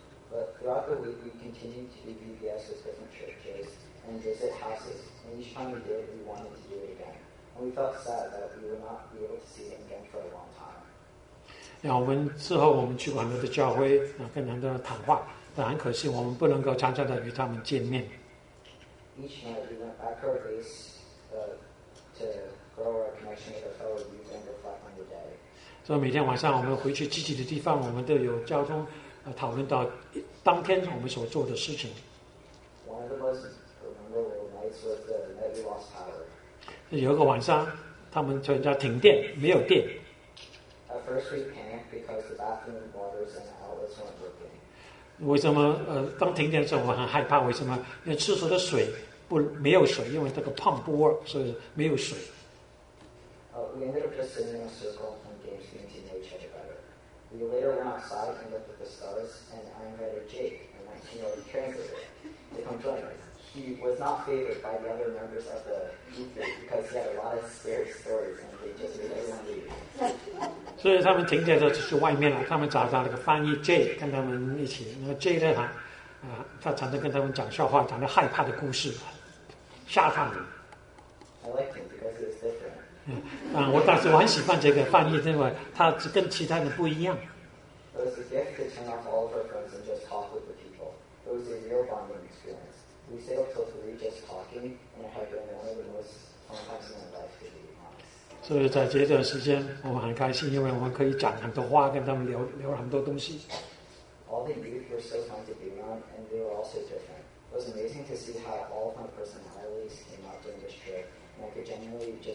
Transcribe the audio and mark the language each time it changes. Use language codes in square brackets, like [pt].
[en] But throughout the week, we continued to do VBS with different churches and visit houses. And each time we did, we wanted to do it again. And we felt sad that we would not be able to see them again for a long time. [zh] Yeah, 我们之后我们去过很多的教会，跟很多人谈话，但很可惜我们不能够常常的与他们见面。 [en] Each night, we went back to our base to grow our connection with our fellow youth and reflect on the day. [zh] So 每天晚上我们回去自己的地方，我们都有交通。讨论到当天我们所做的事情。 [en] One of the most memorable nights was the night we lost power. [zh] 有一个晚上，他们全家停电，没有电。 [en] At first we panicked because the bathroom waters and outlets weren't working. [zh] 为什么当停电的时候我很害怕？为什么？因为厕所的水没有水，因为这个 pump 不 work， 所以没有水。 [en] We ended up just sitting in a circle playing games to get to know each other better. We later went outside and looked at the stars, and I invited Jake, a 19-year-old translator, to come join us. He was not favored by the other members of the youth group because he had a lot of scary stories, and they just made everyone leave. [zh] 所以他们停电的时候去外面了，他们找到那个翻译 Jake 跟他们一起。那个 Jake 呢，他常常跟他们讲笑话，讲的害怕的故事，吓他们。 [en] I liked him because he was different. [zh] 我当时我很喜欢这个翻译，因为他跟其他人不一样。 [en] It was a gift to turn off all of our friends and just talk with the people. It was a real bonding experience. We stayed up till 3 just talking, and it had been one of the most fun times in my life, to be honest. [zh] 所以在这段时间，我们很开心，因为我们可以讲很多话，跟他们聊很多东西。 [en] All the youth were so fun to be around, and they were all so different. It was amazing to see how all of my personalities came out during this trip.